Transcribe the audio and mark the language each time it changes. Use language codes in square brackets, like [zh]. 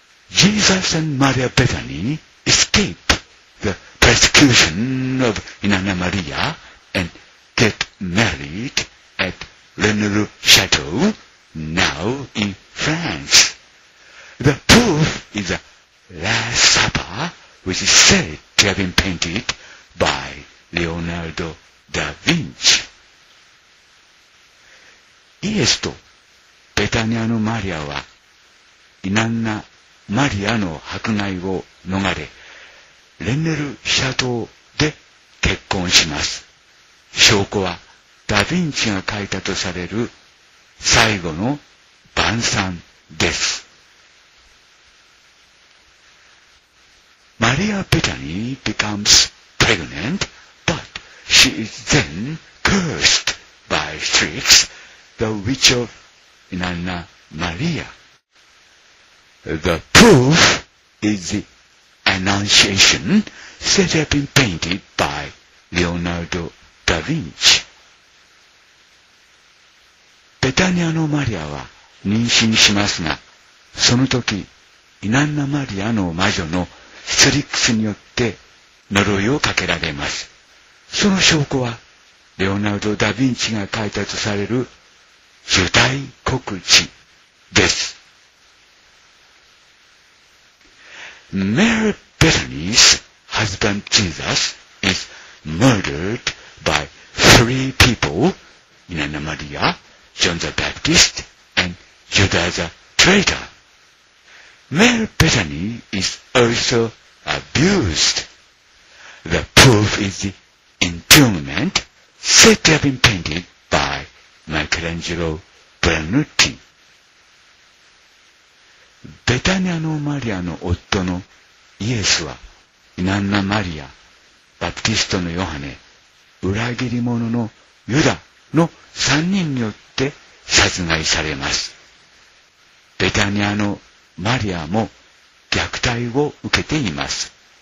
[en] Jesus and Maria Bethany escape the persecution of Inanna Maria and get married at Lenoir Chateau, now in France. The proof is the Last Supper, which is said to have been paintedby Leonardo da Vinci. [ja] イエスとベタニアのマリアはイナンナ・マリアの迫害を逃れ、レンネル・シャトーで結婚します。証拠はダ・ヴィンチが書いたとされる最後の晩餐です。 [en] マリア・ベタニー becomesPregnant, but she is then cursed by Strix, the witch of Inanna Maria. The proof is the Annunciation said to have been painted by Leonardo da Vinci. [ja] ベタニアのマリアは妊娠しますが、その時イナンナマリアの魔女のストリックスによって呪いをかけられます。その証拠はレオナルド・ダ・ヴィンチが書いたとされる受胎告知です。 [en] Mary Bethany's husband Jesus is murdered by three people, Inanna Maria, John the Baptist and Judas the traitor. Mary Bethany is also abusedThe proof is the entombment said to have been painted by Michelangelo Brunetti. [ja] ベタニアのマリアの夫のイエスは、イナンナ・マリア、バプティストのヨハネ、裏切り者のユダの三人によって殺害されます。ベタニアのマリアも虐待を受けています。